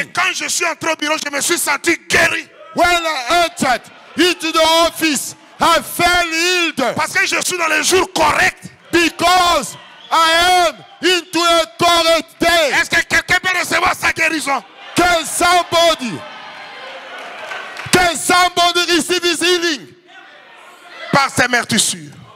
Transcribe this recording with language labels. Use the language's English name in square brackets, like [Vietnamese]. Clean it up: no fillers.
[French] Et quand je suis entré au bureau, je me suis senti guéri. [English] When I entered into the office, I felt healed. [French] Parce que je suis dans les jours corrects. [English] Because I am into a correct day. [French] Est-ce que quelqu'un peut recevoir sa guérison? [English] Can somebody? Can somebody receive his healing? [French] Par ses meurtrissures.